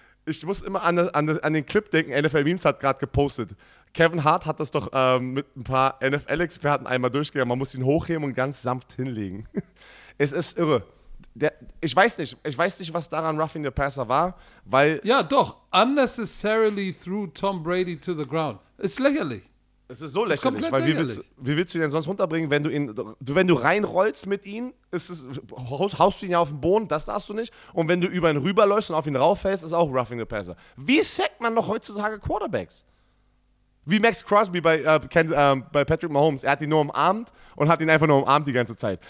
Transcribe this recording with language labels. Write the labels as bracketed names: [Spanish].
[German] Ich muss immer an den Clip denken, NFL Memes hat gerade gepostet. Kevin Hart hat das doch mit ein paar NFL-Experten einmal durchgegangen. Man muss ihn hochheben und ganz sanft hinlegen. Es ist irre. Ich weiß nicht, was daran Roughing the Passer war, weil... Ja, doch. [English] Unnecessarily threw Tom Brady to the ground. [German] Ist lächerlich. Es ist so lächerlich. Ist komplett lächerlich. Wie willst du ihn denn sonst runterbringen, wenn du reinrollst mit ihm, haust du ihn ja auf den Boden, das darfst du nicht. Und wenn du über ihn rüberläufst und auf ihn rauffällst, ist auch Roughing the Passer. Wie sackt man noch heutzutage Quarterbacks? Wie Max Crosby bei Patrick Mahomes. Er hat ihn nur umarmt und hat ihn einfach nur umarmt die ganze Zeit.